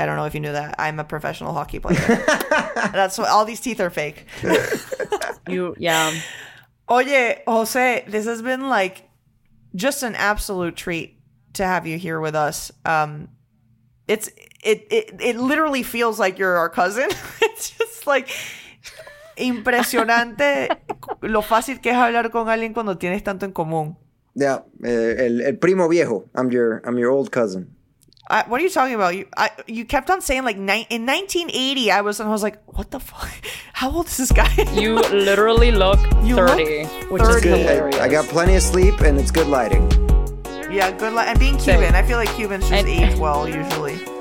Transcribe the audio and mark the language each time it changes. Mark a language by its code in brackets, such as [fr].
[en] I don't know if you knew that. I'm a professional hockey player. That's what, all these teeth are fake. Oye, Jose, this has been, like, just an absolute treat to have you here with us. It literally feels like you're our cousin. It's just like [es] impresionante lo fácil que es hablar con alguien cuando tienes tanto en común. [en] Yeah, [es] el primo viejo. [en] I'm your old cousin. What are you talking about? You kept on saying like in 1980 I was like, what the fuck? How old is this guy? You literally look 30, which is good. Hilarious. I got plenty of sleep and it's good lighting. Yeah, good lighting. And being Cuban, I feel like Cubans just age well usually.